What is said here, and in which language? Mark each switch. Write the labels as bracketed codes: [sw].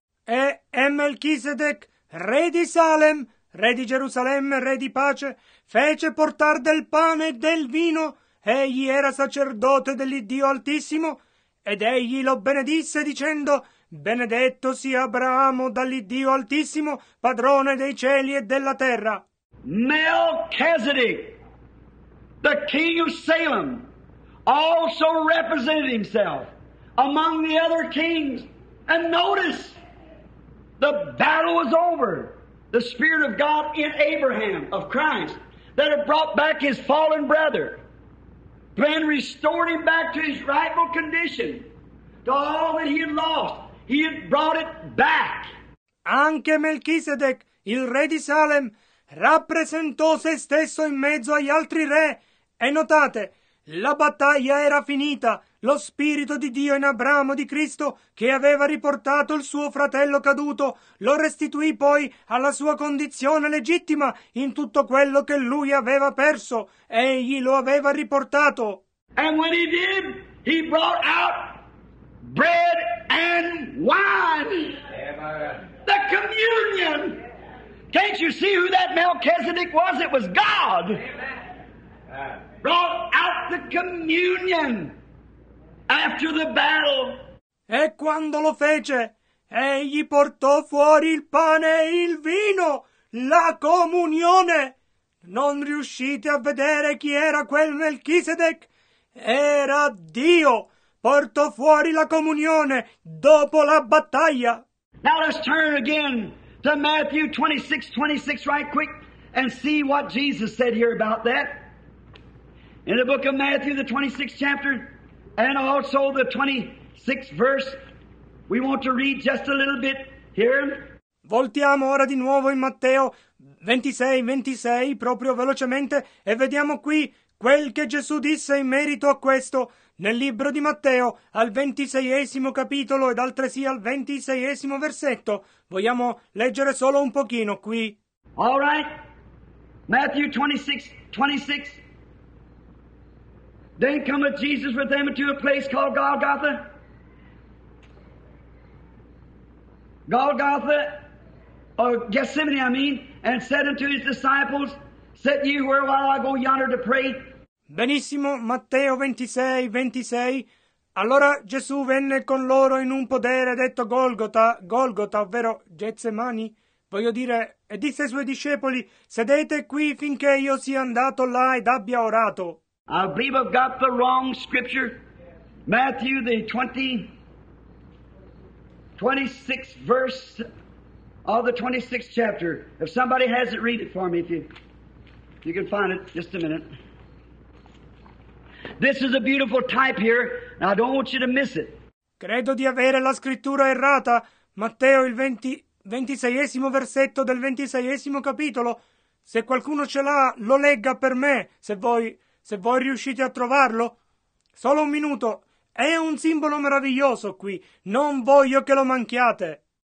[it] E Melchisedec, re di Salem, re di Gerusalemme, re di pace, fece portar del pane e del vino. Egli era sacerdote dell'Iddio Altissimo. Ed egli lo benedisse dicendo, Benedetto sia Abramo dall'Iddio Altissimo, padrone dei cieli e della terra. [en] Melchizedek, the king of Salem, also represented himself among the other kings. And notice, the battle was over. The Spirit of God in Abraham of Christ that had brought back his fallen brother, then restored him back to his rightful condition, to all that he had lost. He had brought it back. [it] Anche Melchisedec, il re di Salem, rappresentò se stesso in mezzo agli altri re. E notate, la battaglia era finita. Lo spirito di Dio in Abramo di Cristo, che aveva riportato il suo fratello caduto, lo restituì poi alla sua condizione legittima in tutto quello che lui aveva perso. Egli lo aveva riportato. [en] And when he did, he brought out bread and wine. Amen. The communion. Can't you see who that Melchizedek was? It was God. Amen. Brought out the communion after the battle. [it] E quando lo fece, egli portò fuori il pane e il vino, la comunione. Non riuscite a vedere chi era quel Melchizedek? Era Dio. Porto fuori la comunione dopo la battaglia. [en] Now let's turn again to Matthew 26:26 right quick and see what Jesus said here about that. In the book of Matthew, the 26th chapter, and also the 26th verse, we want to read just a little bit here. [it] Voltiamo ora di nuovo in Matteo 26:26, proprio velocemente, e vediamo qui quel che Gesù disse in merito a questo. Nel libro di Matteo, al 26esimo capitolo ed altresì al 26esimo versetto, vogliamo leggere solo un pochino qui. [en] All right. Matthew 26:26. Then cometh Jesus with them to a place called Golgotha. Golgotha, or Gethsemane, I mean, and said unto his disciples, Sit ye here while I go yonder to pray. [it] Benissimo, Matteo 26:26. Allora Gesù venne con loro in un podere detto Golgota, Golgota, ovvero Getsemani, voglio dire, e disse ai suoi discepoli, sedete qui finché io sia andato là ed abbia orato. [en] I believe I've got the wrong scripture. Matthew, the 26th verse of the 26th chapter. If somebody has it, read it for me, if you can find it, just a minute. This is a beautiful type here, and I don't want you to miss it. [it] Credo di avere la scrittura errata, Matteo il 26esimo versetto del 26esimo capitolo. Se qualcuno ce l'ha, lo legga per me, se voi riuscite a trovarlo. Solo un minuto. È un simbolo meraviglioso qui. Non voglio che lo manchiate.